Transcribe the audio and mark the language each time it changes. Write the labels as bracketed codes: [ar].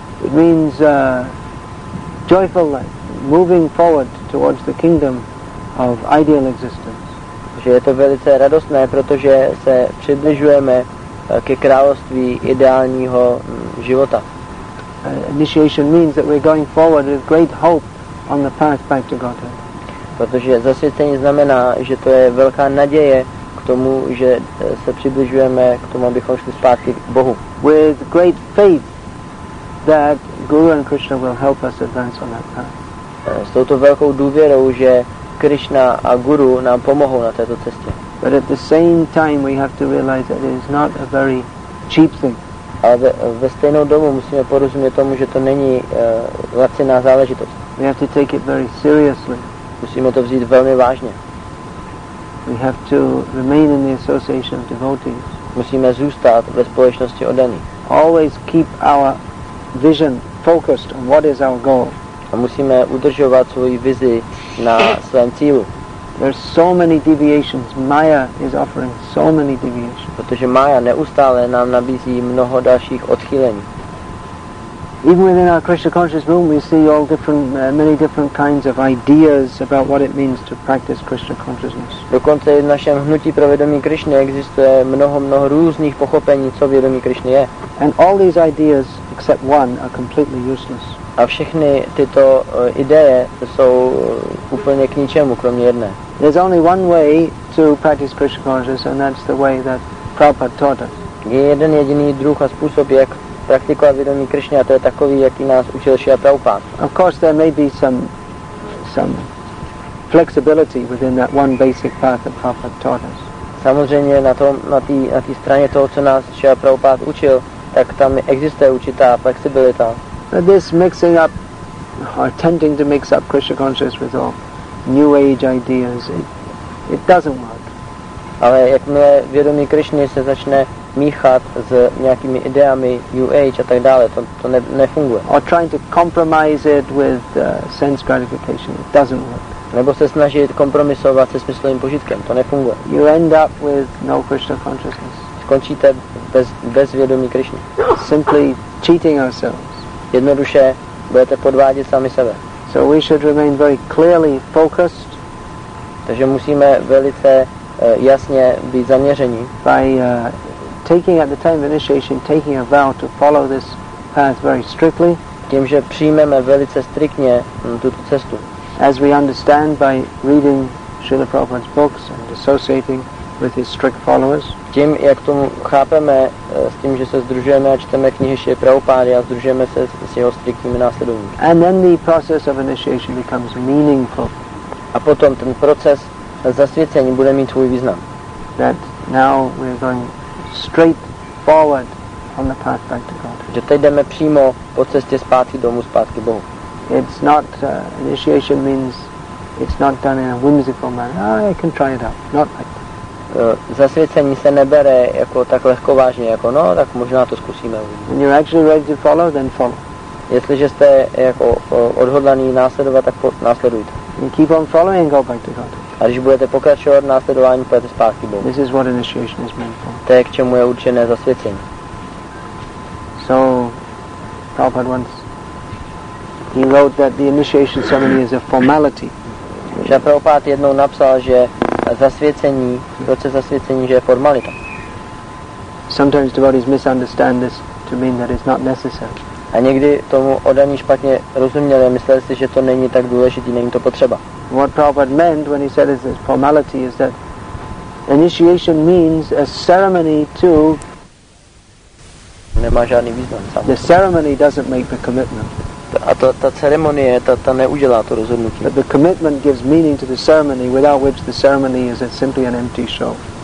[en] It means joyful life, moving forward towards the kingdom of ideal existence. [cs] Že je to velice radostné, protože se přibližujeme ke království ideálního života. [en] Initiation means that we're going forward with great hope on the path back to Godhead. [cs] Protože zasvěcení znamená, že to je velká naděje k tomu, že se přibližujeme k tomu, abychom šli zpátky k Bohu. [en] With great faith that Guru and Krishna will help us advance on that path. [cs] S touto velkou důvěrou, že Krishna a Guru nám pomohou na této cestě. [en] But at the same time we have to realize that it is not a very cheap thing. [cs] Ale ve stejnou dobu musíme porozumět tomu, že to není laciná záležitost. [en] We have to take it very seriously. [cs] Musíme to vzít velmi vážně. [en] We have to remain in the association of devotees. [cs] Musíme zůstat ve společnosti oddaných. [en] Always keep our vision focused on what is our goal. [cs] A musíme udržovat svoji vizi na svém cílu. [en] There are so many deviations. Maya is offering so many deviations. [cs] Protože Maya neustále nám nabízí mnoho dalších odchýlení. [en] Even within our Krishna conscious movement, we see all different, many different kinds of ideas about what it means to practice Krishna consciousness. [cs] Dokonce i v našem hnutí pro vědomí Krishny existuje mnoho různých pochopení, co vědomí Krishny je. [en] And all these ideas, except one, are completely useless. [cs] A všechny tyto ideje jsou úplně k ničemu, kromě jedné. [en] There's only one way to practice Krishna consciousness, and that's the way that Prabhupada taught us. [cs] Je jeden jediný druh a způsob, jak praktikovat vědomí Krishny, a to je takový, jaký nás učil Šrila Prabhupada. [en] Of course, there may be some flexibility within that one basic path that Prabhupada taught us. [cs] Samozřejmě na té straně toho, co nás Šrila Prabhupada učil, tak tam existuje určitá flexibilita. [en] But this mixing up, or tending to mix up Krishna consciousness with all new age ideas, it doesn't work. [cs] Ale jakmile vědomí Krishny se začne míchat s nějakými ideami new age a tak dále, to nefunguje. [en] Or trying to compromise it with sense gratification, it doesn't work. [cs] Nebo se snažit kompromisovat se smyslovým požitkem, to nefunguje. [en] You end up with no Krishna consciousness. [cs] Skončíte bez vědomí Krishny. [en] Simply cheating ourselves. [cs] Jednoduše budete podvádět sami sebe. [en] So we should remain very clearly focused. [cs] Takže musíme velice jasně být zaměření. [en] By taking at the time of initiation, taking a vow to follow this path very strictly. [cs] Tím, že přijmeme velice striktně tuto cestu. [en] As we understand by reading Srila Prabhupada's books and associating with his strict followers. [cs] Tím, jak to chápeme, s tím, že se združujeme a čteme knihy Šrily Prabhupády a združujeme se s jeho striktními následovníky. [en] And then the process of initiation becomes meaningful. [cs] A potom ten proces zasvěcení bude mít svůj význam. [en] That now we are going straight forward on the path back to God. [cs] Že teď jdeme přímo po cestě zpátky domů, zpátky Bohu. [en] It's not initiation means it's not done in a whimsical manner. Oh, I can try it out. Not like that. [cs] Zasvěcení se nebere jako tak lehko vážně, jako no, tak možná to zkusíme. [en] When you're actually ready to follow, then follow. [cs] Jestliže jste jako odhodlaný následovat, tak následujte. [en] And keep on following, go back to God. [cs] A když budete pokračovat následování, půjdete zpátky Bohu. [en] This is what initiation is meant for. [cs] To je, k čemu je určené zasvěcení. [en] So, Prabhupada once, he wrote that the initiation ceremony is a formality. [cs] Že Prabhupada jednou napsal, že zasvěcení, proces zasvěcení, že je formalita. [en] Sometimes devotees misunderstand this to mean that it's not necessary. [cs] A někdy tomu oddaní špatně rozuměli, mysleli si, že to není tak důležitý, není to potřeba. [en] What Prabhupada meant when he said it's formality is that initiation means a ceremony to. [cs] Nemá žádný význam. [en] The ceremony doesn't make the commitment. [cs] A ta ceremonie, ta neudělá to rozhodnutí. [en] The commitment gives meaning to the ceremony, without which the ceremony is simply an empty show.